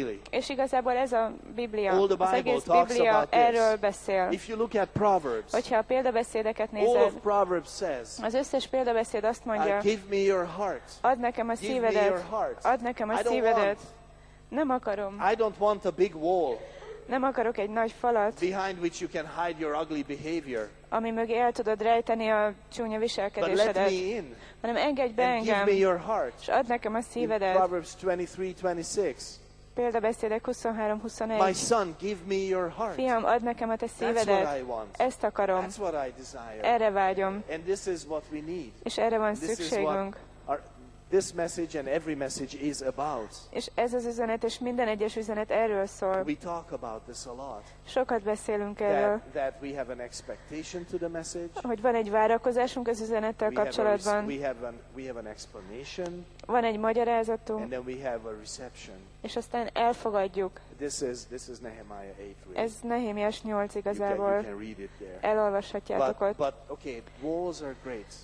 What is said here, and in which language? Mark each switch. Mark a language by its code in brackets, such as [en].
[hu] És igazából ez a Biblia, az egész Biblia erről beszél. Hogyha a példabeszédeket nézed, az összes példabeszéd azt mondja, add nekem a szívedet, add nekem a szívedet. Nem akarom. [en] I don't want a big wall. [hu] Nem akarok egy nagy falat. [en] Behind which you can hide your ugly behavior. [hu] Ami mögé el tudod rejteni a csúnya viselkedésedet. [en] But let me in. [hu] Hanem engedj be [en] and [hu] engem. [en] Give me your heart. [hu] És add nekem a szívedet. [en] In Proverbs 23:26. [hu] Példabeszédek 23:21. [en] My son, give me your heart. [hu] Fiam, add nekem a te szívedet. [en] That's what I want. [hu] Ezt akarom. [en] That's what I desire. [hu] Erre vágyom. [en] And this is what we need. [hu] És erre van szükségünk. [en] This is what This message and every message is about. [hu] És ez az üzenet és minden egyes üzenet erről szól. [en] We talk about this a lot. [hu] Sokat beszélünk [en] that, [hu] erről. [en] That we have an expectation to the message. [hu] Hogy van egy várakozásunk az üzenettel kapcsolatban. [en] We have an explanation. [hu] Van egy magyarázatunk. [en] And then we have a reception. [hu] És aztán elfogadjuk. [en] This is Nehemiah 8. Really. [hu] Ez Nehemiás 8 igazából. [en] You can read it there. [hu] Elolvashatjátok ott. [en] But okay, walls are great.